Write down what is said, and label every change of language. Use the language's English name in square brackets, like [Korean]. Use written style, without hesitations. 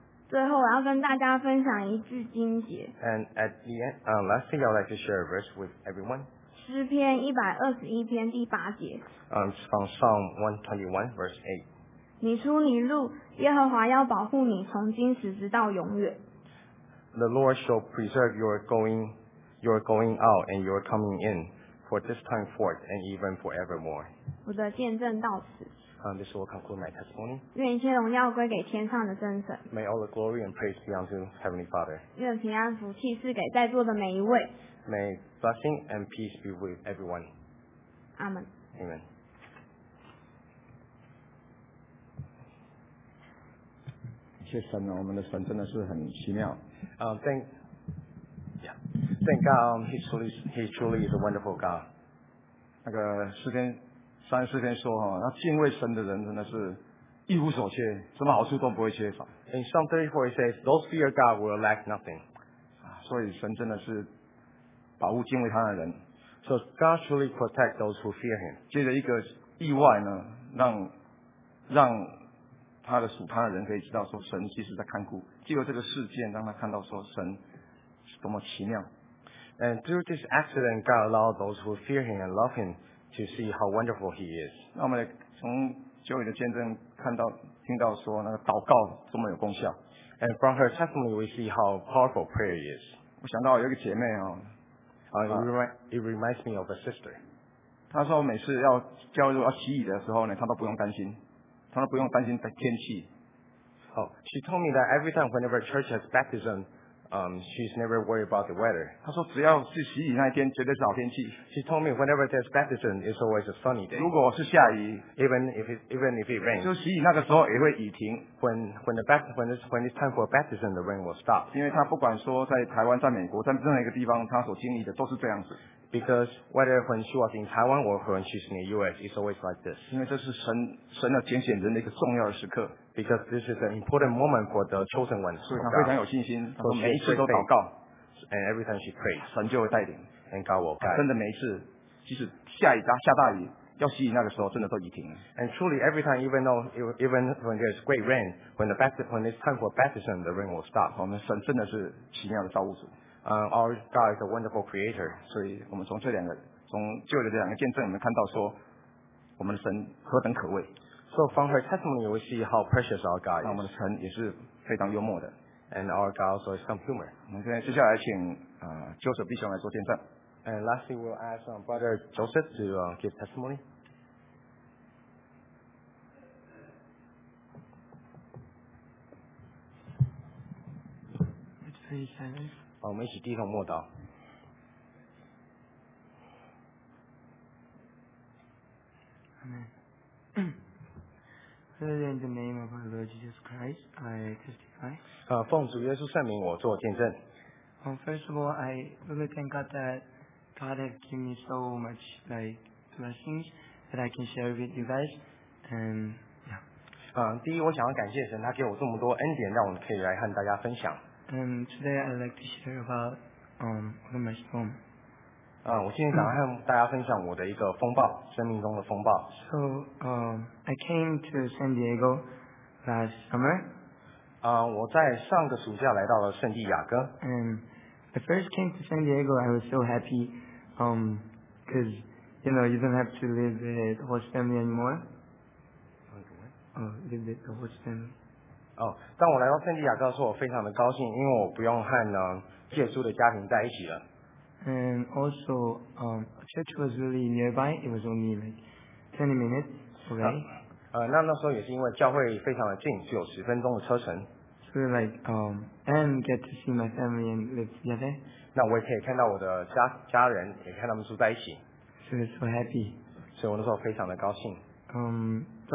[Chinese] 最后，我要跟大家分享一句经节。 [English] And at the end, last thing I would like to share a verse with everyone. [Chinese] 诗篇121篇第八节。 [English] It's from Psalm 121, verse 8. [Chinese] 你出你入，耶和华要保护你，从今时直到永远。 [English] The Lord shall preserve your going out and your coming in, for this time forth and even forevermore. [Chinese] 我的见证到此。 [English] This will conclude my testimony. [Chinese] 愿一切荣耀归给天上的真神。 [English] May all the glory and praise be unto Heavenly Father. [Chinese] 愿平安福气赐给在座的每一位。 [English] May blessing and peace be with everyone. [Chinese] 阿门。 [English] Amen. [Chinese] 神我们的神真的是很奇妙。 [English] Thank God, he truly is a wonderful God. [Chinese] 那个诗篇34篇说哈，那敬畏神的人真的是一无所缺，什么好处都不会缺乏。 [English] In Psalm 34 it says, those fear God will lack nothing. [Chinese] 所以神真的是保护敬畏他的人。 [English] So God truly protects those who fear Him. [Chinese] 接着一个意外呢，让。他的属他的人可以知道说神其实在看顾，借由这个事件让他看到说神是多么奇妙。 [English] And through this accident, God allowed those who fear Him and love Him to see how wonderful he is. [Chinese] 那我们从九尾的见证看到听到说那个祷告多么有功效。 [English] And from her testimony, we see how powerful prayer is. [Chinese] 我想到有一个姐妹哦。 [English] It reminds me of a sister. [Chinese] 她说每次要教育要洗礼的时候呢，她都不用担心，她都不用担心的天气。 [English] Oh, she told me that every time whenever church has baptism, she's never worried about the weather. [Chinese] 她说只要是洗礼那一天，绝对是好天气。 [English] She told me whenever there's baptism, it's always a sunny day. [Chinese] 如果是下雨 [English] even if it rains, [Chinese] 就洗礼那个时候也会雨停。 [English] When it's time for baptism, the rain will stop. [Chinese] 因为她不管说在台湾、在美国、在任何一个地方，她所经历的都是这样子。 [English] Because whether when she was in Taiwan or when she's in the U.S., it's always like this. [Chinese] 因为这是神要拣选人的一个重要的时刻。 [English] Because this is an important moment for the chosen one. [Chinese] 所以她非常有信心，她每一次都祷告。 [English] And every time she prays, [Chinese] 神就会带领。 [English] And God will guide. [Chinese] 真的每一次，即使下大雨，要洗礼那个时候，真的都雨停了。 [English] And truly, every time, even when there's great rain, when it's time for baptism, the rain will stop. [Chinese] 我们神真的是奇妙的造物主。 [English] Our God is a wonderful creator. [Chinese] 所以我们从这两个，从旧的这两个见证，我们看到说，我们的神何等可畏。 [English] So from her testimony, we see how precious our God is. [Chinese] 那我们的神也是非常幽默的。 [English] And our God also has some humor. [Chinese] 我们现在接下来请Joseph 弟兄来做见证。 [English] And lastly, we'll ask our brother Joseph to give testimony. Let's pray, silence. [Chinese] 好，我们一起低头默祷。 [English] Amen. Father, in the name of our Lord Jesus Christ, I testify. [Chinese] 奉主耶稣圣名，我做见证。 [English] First of all, I really thank God that God has given me so much like blessings that I can share with you guys. And yeah. [Chinese] 第一，我想要感谢神，他给我这么多恩典，让我们可以来和大家分享。 [English] Today I'd like to share about one of my storm. [Chinese] 我今天想和大家分享我的一个风暴，生命中的风暴。 [English] So, I came to San Diego last summer. [Chinese] 我在上个暑假来到了圣地亚哥。 [English] And I first came to San Diego, I was so happy, because you know you don't have to live with the host family anymore. Live with the host family. [Chinese] 当我来到圣地亚哥的时候，我非常的高兴，因为我不用和借住的家庭在一起了。 [English] And also, church was really nearby. It was only like 20 minutes away. [Chinese] 那时候也是因为教会非常的近，只有十分钟的车程。 [English] So like, and get to see my family and live together. [Chinese] 那我也可以看到我的家人，也看他们住在一起。 [English] So so happy. [Chinese] 所以我那时候非常的高兴。